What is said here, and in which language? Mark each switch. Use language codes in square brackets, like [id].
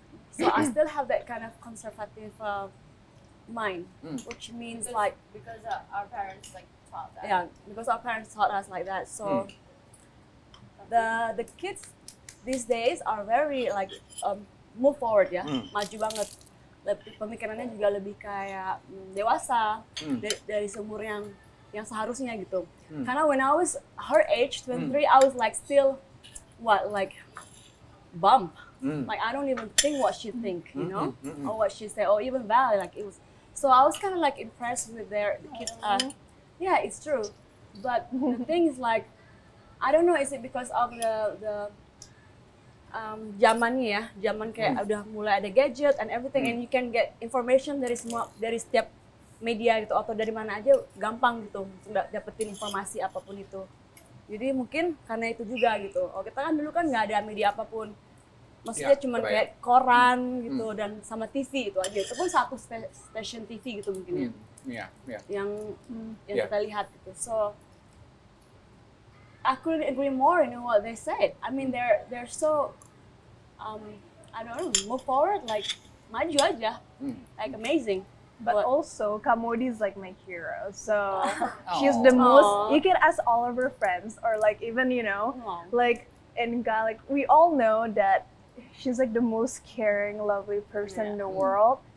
[en] So I still have that kind of conservative mind, which means because, like... Because our parents like taught that. Yeah, because our parents taught us like that. So the kids these days are very like move forward [id] ya, maju banget. Pemikirannya juga lebih kayak dewasa dari seumur yang seharusnya gitu. Karena [en] when I was her age, 23, I was like still, bump. Like I don't even think what she think, you know, or what she say, or even Val. Like it was, so I was kind of like impressed with their kids. Yeah, it's true, but the thing is like, I don't know. Is it because of the [id] zamannya ya, zaman kayak udah mulai ada gadget [en] and everything, and you can get information [id] dari semua dari setiap media gitu atau dari mana aja gampang gitu, nggak dapetin informasi apapun itu. Jadi mungkin karena itu juga gitu. Oh kita kan dulu kan nggak ada media apapun. Maksudnya cuma kayak koran gitu dan sama TV itu aja. Itu pun satu stasiun TV gitu mungkin. Yang kita lihat gitu. [en] So I couldn't agree more in what they said. I mean they're so I don't know, move forward like [id] maju aja. [en] Like amazing. But what? Also, Kamodi is like my hero. So she's the most, you can ask all of her friends or like even, you know, like Inka, like we all know that she's like the most caring, lovely person in the world.